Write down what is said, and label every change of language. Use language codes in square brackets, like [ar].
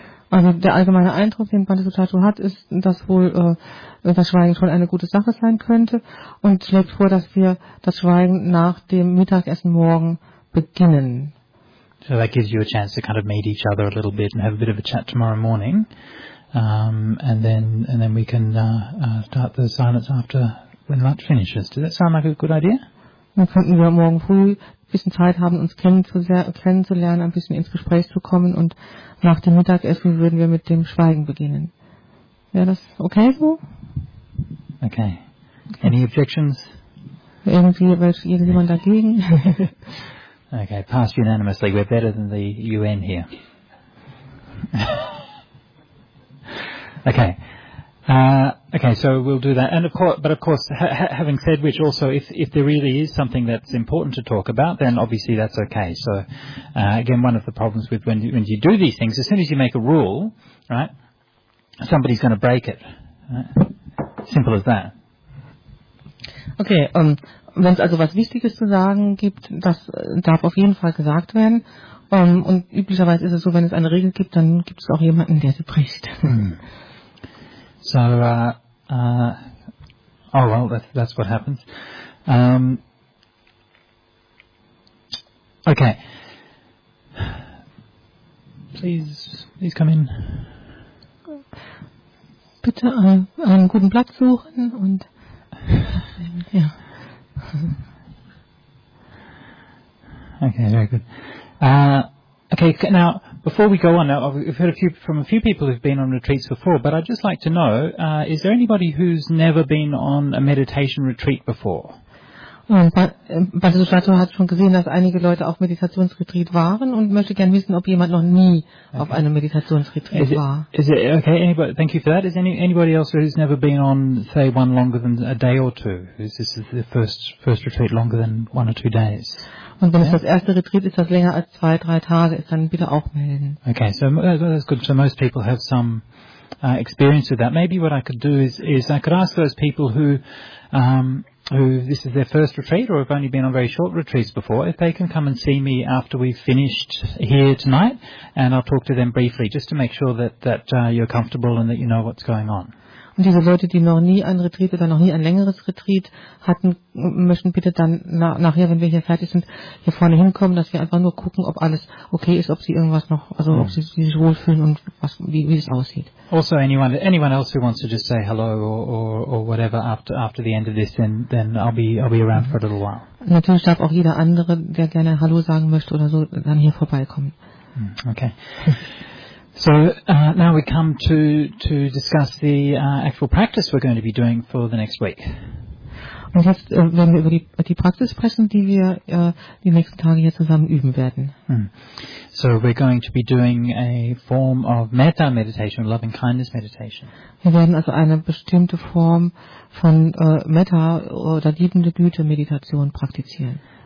[de] Also der allgemeine Eindruck, den Bhattisuttatu hat, ist, dass wohl das Schweigen schon eine gute Sache sein könnte, und schlägt vor, dass wir das Schweigen nach dem Mittagessen morgen beginnen. [en] So that gives you a chance to kind of meet each other a little bit and have a bit of a chat tomorrow morning, and then we can start the silence after when lunch finishes. Does that sound like a good idea? [de] Dann könnten wir morgen früh ein bisschen Zeit haben, uns kennenzulernen, ein bisschen ins Gespräch zu kommen, und nach dem Mittagessen würden wir mit dem Schweigen beginnen. Wäre das okay so? [en] Okay. Any objections? [de] Irgendjemand dagegen? [en] Okay, passed unanimously. We're better than the UN here. Okay. Okay, so we'll do that. And of course, having said which, also if there really is something that's important to talk about, then obviously that's okay. So again, one of the problems with when you do these things, as soon as you make a rule, right, somebody's going to break it. Right? Simple as that. [de] Okay, wenn es also was Wichtiges zu sagen gibt, das darf auf jeden Fall gesagt werden. Und üblicherweise ist es so, wenn es eine Regel gibt, dann gibt es auch jemanden, der sie bricht. [en] So, that's what happens. Okay. Please come in. [de] Bitte einen guten Platz suchen und ja. [en] Okay, very good. Okay, now, before we go on, now, we've heard from a few people who've been on retreats before, but I'd just like to know, is there anybody who's never been on a meditation retreat before? [de] Bante Schwarzow hat schon gesehen, dass einige Leute auf Meditationsretreat waren und möchte gern wissen, ob jemand noch nie auf einem Meditationsretreat war. [en] Thank you for that. Is anybody else who's never been on, say, one longer than a day or two? Is this the first retreat longer than one or two days? [de] Und wenn es das erste Retreat ist, das länger als zwei, drei Tage ist, dann bitte auch melden. [en] Okay, so that's good. So most people have some experience with that. Maybe what I could do is I could ask those people who this is their first retreat or have only been on very short retreats before, if they can come and see me after we've finished here tonight, and I'll talk to them briefly just to make sure that you're comfortable and that you know what's going on. [de] Und diese Leute, die noch nie ein Retreat oder noch nie ein längeres Retreat hatten, möchten bitte dann nachher, wenn wir hier fertig sind, hier vorne hinkommen, dass wir einfach nur gucken, ob alles okay ist, ob sie irgendwas noch, also ob sie sich wohlfühlen und was, wie es aussieht. [en] Also anyone else who wants to just say hello or whatever after the end of this, then I'll be around for a little while. [de] Natürlich darf auch jeder andere, der gerne Hallo sagen möchte oder so, dann hier vorbeikommen. [en] Okay. So now we come to discuss the actual practice we're going to be doing for the next week. [de] Und jetzt werden wir über die Praxis sprechen, die wir die nächsten Tage hier zusammen üben werden. [en] So we're going to be doing a form of metta meditation, loving kindness meditation. [de] Wir werden also eine bestimmte Form von metta oder liebende Güte Meditation praktizieren.